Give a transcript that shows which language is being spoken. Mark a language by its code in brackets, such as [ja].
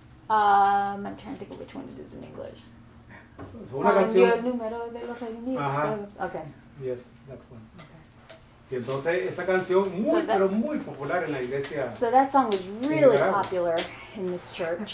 [en] I'm trying to think of which one it is in English. Okay. Yes, that one. [es] Okay. Y entonces esa canción muy popular en la iglesia. [en] So that song was really popular in this church.